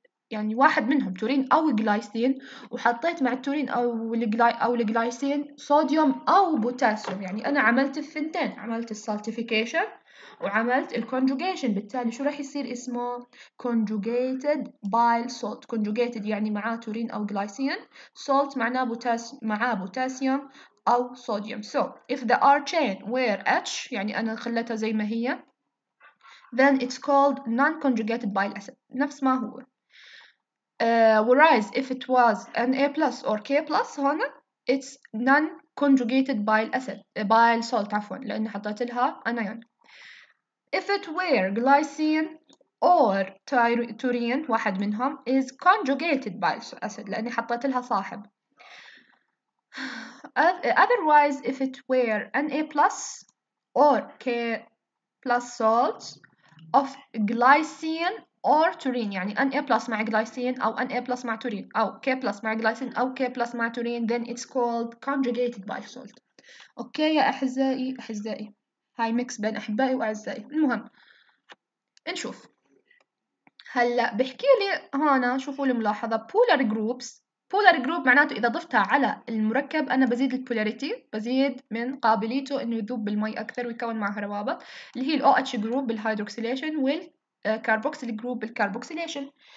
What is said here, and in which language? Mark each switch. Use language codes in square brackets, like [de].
[ar] يعني واحد منهم تورين او جلايسين، وحطيت مع التورين او الجلايسين صوديوم او بوتاسيوم، يعني انا عملت الثنتين، عملت السالتيفيكيشن وعملت الكونجوجيشن، بالتالي شو راح يصير اسمه؟ كونجوجيتد بايل سولت، كونجوجيتد يعني مع تورين او جلايسين، سولت معناه بوتاسيوم او صوديوم. [en] so if the R chain were H [ar] يعني انا خليتها زي ما هي، [en] then it's called non conjugated bile acid [ar] نفس ما هو. [en] Whereas if it was an A plus or K plus هنا it's non conjugated bile acid bile salt [ar] عفوا لان حطيت لها [en] anion. If it were glycine or taurine [ar] واحد منهم [en] is conjugated bile acid [ar] لان حطيت لها صاحب. [en] Otherwise if it were Na plus or K plus salts of glycine or taurine يعني Na plus مع glycine أو Na plus مع taurine أو K plus مع glycine أو K plus مع taurine then it's called conjugated bile salt. [ar] أوكي يا أحزائي أحزائي هاي ميكس بين أحبائي وأعزائي. المهم نشوف هلأ بحكي لي هنا شوفوا الملاحظة polar groups. Polar group معناته إذا ضفتها على المركب أنا بزيد البولاريتي بزيد من قابليته إنه يذوب بالمي أكثر ويكون معها روابط اللي هي الـ OH group بالهيدروكسيليشن والـ carboxyl group بالكربوكسيليشن.